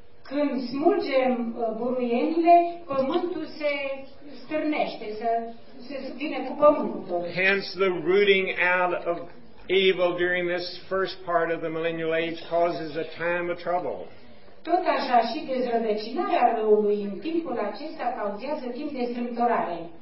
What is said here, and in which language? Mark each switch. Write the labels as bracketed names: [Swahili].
[Romanian] Când smulgem buruienile, pământul se stârnește, se vine cu pământul. [English] Hence the rooting out of evil during this first part of the millennial age causes a time of trouble. [Romanian] Tot așa și dezrădăcinarea răului în timpul acesta cauzează timp de strâmtorare.